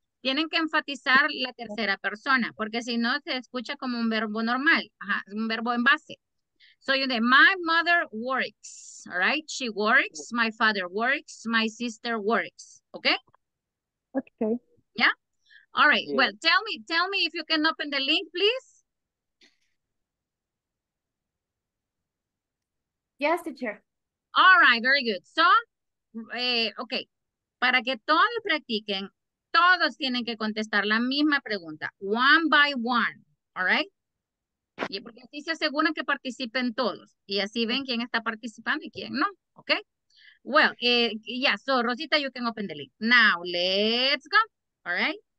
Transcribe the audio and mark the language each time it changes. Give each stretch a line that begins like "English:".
Spanish: Tienen que enfatizar la tercera persona, porque si no se escucha como un verbo normal, ajá, un verbo en base.
English: So you know, my mother works, all right? She works, my father works, my sister works, okay? Okay. Yeah? All right, yeah. Well, tell me if you can open the link, please. Yes, teacher. All right, very good. So, okay,
Spanish: para que todos practiquen, todos tienen que contestar la misma pregunta,
English: one by one, all right?
Spanish: Y porque así se aseguran que participen todos y así ven quién está participando y quién no, okay?
English: Well, yeah, so Rosita, you can open the link. Now, let's go, all right?